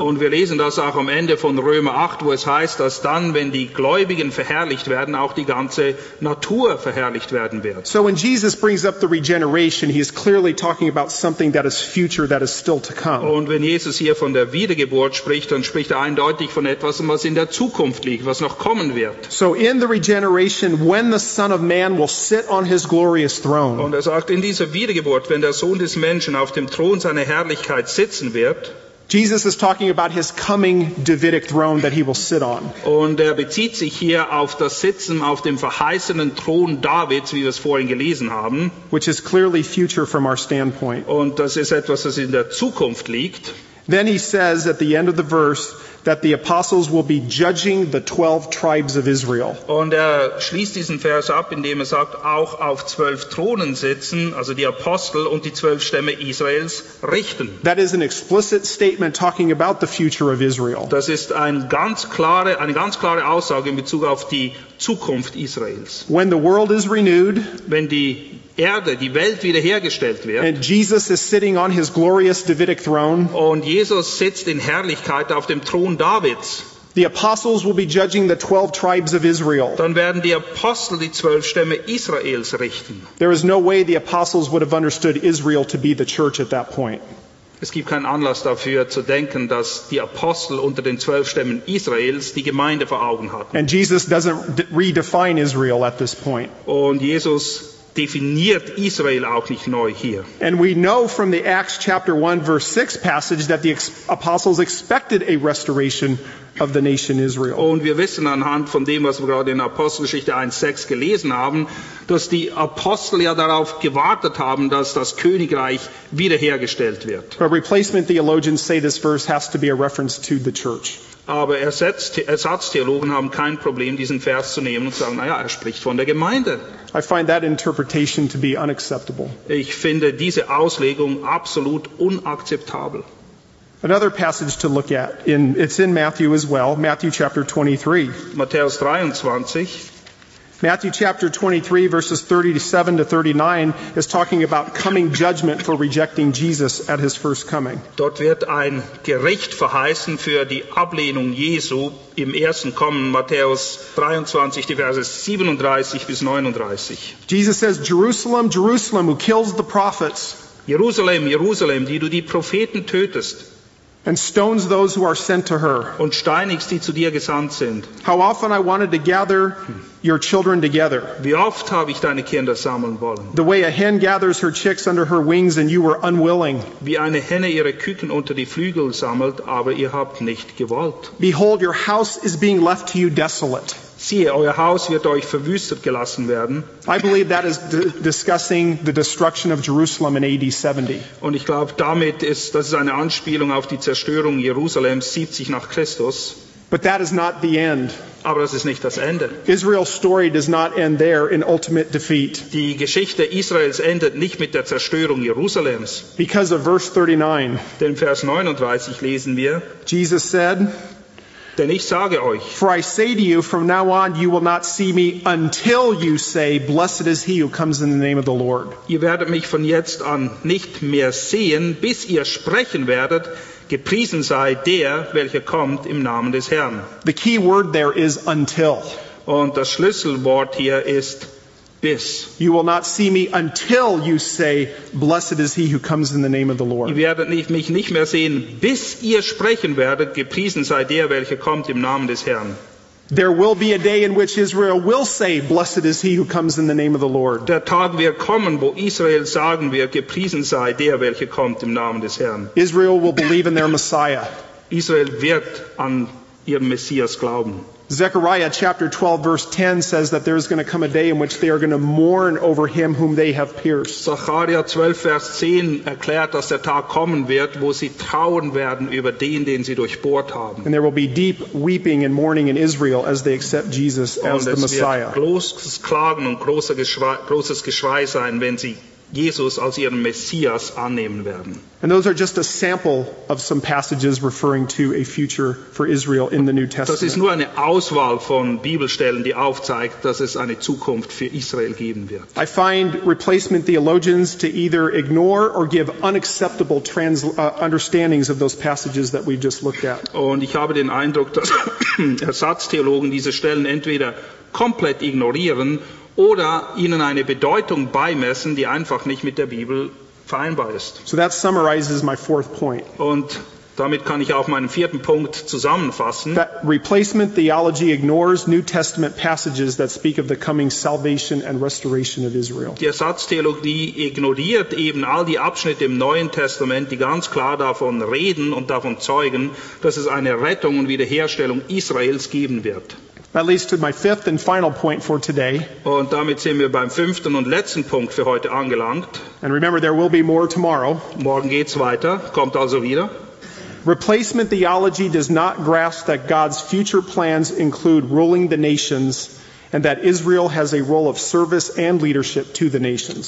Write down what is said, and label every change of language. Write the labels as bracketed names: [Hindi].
[German] Und wir lesen das auch am Ende von Römer 8, wo es heißt, dass dann, wenn die Gläubigen verherrlicht werden, auch die ganze Natur verherrlicht werden wird. [English] So when Jesus brings up the regeneration, he is clearly talking about something that is future, that is still to come. [German] Und wenn Jesus hier von der Wiedergeburt spricht, dann spricht eindeutig von etwas, was in der Zukunft liegt, was noch kommen wird. [English] So in the regeneration, when the Son of Man will sit on his glorious throne. [German] Und sagt, in dieser Wiedergeburt, wenn der Sohn des Menschen auf dem Thron seiner Herrlichkeit sitzen wird, [English] Jesus is talking about his coming Davidic throne that he will sit on. [German] Und bezieht sich hier auf das Sitzen auf dem verheißenen Thron Davids, wie wir es vorhin gelesen haben. [English] Which is clearly future from our standpoint. [German] Und das ist etwas, das in der Zukunft liegt. [English] Then he says at the end of the verse that the apostles will be judging the 12 tribes of Israel. [German] Und schließt diesen Vers ab, indem sagt, auch auf 12 Thronen sitzen, also die Apostel und die 12 Stämme Israels richten. [English] That is an explicit statement talking about the future of Israel. [German] Das ist eine ganz klare Aussage in Bezug auf die Zukunft Israels. [English] When the world is renewed, [German] wenn die Erde, die Welt wiederhergestellt wird. [English] And Jesus is sitting on his glorious Davidic throne. [German] Und Jesus sitzt in Herrlichkeit auf dem Thron Davids. [English] The apostles will be judging the 12 tribes of Israel. [German] Dann werden die Apostel die 12 Stämme Israels richten. [English] There is no way the apostles would have understood Israel to be the church at that point. [German] Es gibt keinen Anlass dafür zu denken, dass die Apostel unter den 12 Stämmen Israels die Gemeinde vor Augen hatten. [English] And Jesus doesn't redefine Israel at this point. [German] Und Jesus definiert Israel auch nicht neu hier. [English] And we know from the Acts chapter 1 verse 6 passage that the apostles expected a restoration of the nation Israel. [German] Und wir wissen anhand von dem, was wir gerade in Apostelgeschichte 1:6 gelesen haben, dass die Apostel ja darauf gewartet haben, dass das Königreich wiederhergestellt wird. [English] A replacement theologians say this verse has to be a reference to the church. [German] Aber Ersatztheologen haben kein Problem, diesen Vers zu nehmen und zu sagen, naja, er spricht von der Gemeinde. [English] I find that interpretation to be unacceptable. [German] Ich finde diese Auslegung absolut unakzeptabel. [English] Another passage to look at, it's in Matthew as well, Matthew chapter 23. [German] Matthäus 23. [English] Matthew chapter 23, verses 37 to 39 is talking about coming judgment for rejecting Jesus at his first coming. [German] Dort wird ein Gericht verheißen für die Ablehnung Jesu im ersten Kommen, Matthäus 23, die Verse 37 bis 39. [English] Jesus says, Jerusalem, Jerusalem, who kills the prophets. [German] Jerusalem, Jerusalem, die du die Propheten tötest. [English] And stones those who are sent to her. [German] Und steinigst die zu dir gesandt sind. [English] How often I wanted to gather your children together. [German] Wie oft habe ich deine Kinder sammeln wollen. [English] The way a hen gathers her chicks under her wings and you were unwilling. [German] Wie eine Henne ihre Küken unter die Flügel sammelt, aber ihr habt nicht gewollt. [English] Behold, your house is being left to you desolate. [German] Siehe, euer Haus wird euch verwüstet gelassen werden. [English] I believe that is discussing the destruction of Jerusalem in AD 70. [German] Und ich glaube, damit ist das ist eine Anspielung auf die Zerstörung Jerusalems 70 nach Christus. [English] But that is not the end. [German] Aber das ist nicht das Ende. [English] Israel's story does not end there in ultimate defeat. [German] Die Geschichte Israels endet nicht mit der Zerstörung Jerusalems. [English] Because of verse 39. [German] Denn Vers 39 lesen wir. [English] Jesus said, [German] denn ich sage euch, [English] for I say to you, from now on you will not see me until you say, blessed is he who comes in the name of the Lord. [German] Ihr werdet mich von jetzt an nicht mehr sehen, bis ihr sprechen werdet, gepriesen sei der, welcher kommt im Namen des Herrn. [English] The key word there is until. [German] Und das Schlüsselwort hier ist bis. [English] You will not see me until you say, blessed is he who comes in the name of the Lord. [German] Ihr werdet mich nicht mehr sehen, bis ihr sprechen werdet, gepriesen sei der, welcher kommt im Namen des Herrn. [English] There will be a day in which Israel will say, blessed is he who comes in the name of the Lord. [German] Der Tag wird kommen, wo Israel sagen wird, gepriesen sei der, welcher kommt im Namen des Herrn. [English] Israel will believe in their Messiah. [German] Israel wird an ihren Messias glauben. [English] Zechariah chapter 12 verse 10 says that there is going to come a day in which they are going to mourn over him whom they have pierced. [German] Zechariah 12 verse 10 erklärt, dass der Tag kommen wird, wo sie trauern werden über den, den sie durchbohrt haben. [English] And there will be deep weeping and mourning in Israel as they accept Jesus as the Messiah. [German] Und es wird großes Klagen und großes Geschrei sein, wenn sie Jesus als ihren Messias annehmen werden. [English] And those are just a sample of some passages referring to a future for Israel in the New Testament. [German] Das ist nur eine Auswahl von Bibelstellen, die aufzeigt, dass es eine Zukunft für Israel geben wird. [English] I find replacement theologians to either ignore or give unacceptable understandings of those passages that we just looked at. [German] Und ich habe den Eindruck, dass Ersatztheologen diese Stellen entweder komplett ignorieren oder ihnen eine Bedeutung beimessen, die einfach nicht mit der Bibel vereinbar ist. [English] So that summarizes my fourth point. [German] Und damit kann ich auch meinen vierten Punkt zusammenfassen. [English] That replacement theology ignores New Testament passages that speak of the coming salvation and restoration of Israel. [German] Die Ersatztheologie ignoriert eben all die Abschnitte im Neuen Testament, die ganz klar davon reden und davon zeugen, dass es eine Rettung und Wiederherstellung Israels geben wird. [English] That leads to my fifth and final point for today. [German] Und damit sind wir beim fünften und letzten Punkt für heute angelangt. [English] And remember, there will be more tomorrow. [German] Morgen geht's weiter, kommt also wieder. [English] Replacement theology does not grasp that God's future plans include ruling the nations and that Israel has a role of service and leadership to the nations.